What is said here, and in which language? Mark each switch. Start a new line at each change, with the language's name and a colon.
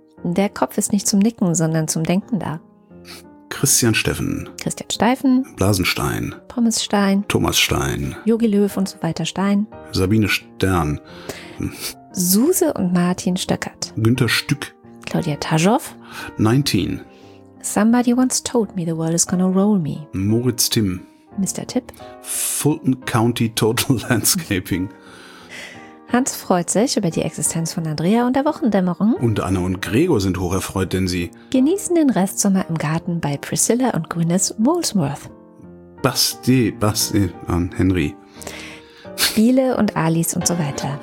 German: Der Kopf ist nicht zum Nicken, sondern zum Denken da. Christian Steffen. Christian Steifen. Blasenstein. Pommes Stein. Thomas Stein. Jogi Löw und so weiter Stein. Sabine Stern. Suse und Martin Stöckert. Günther Stück. Claudia Tajov. 19.
English: Somebody once told me the world is gonna roll me.
German: Moritz Timm. Mr. Tipp. Fulton County Total Landscaping. Hans freut sich über die Existenz von Andrea und der Wochendämmerung. Und Anna und Gregor sind hocherfreut, denn sie genießen den Restsommer im Garten bei Priscilla und Gwyneth Molesworth. Basti an Henry. Biele und Alice und so weiter.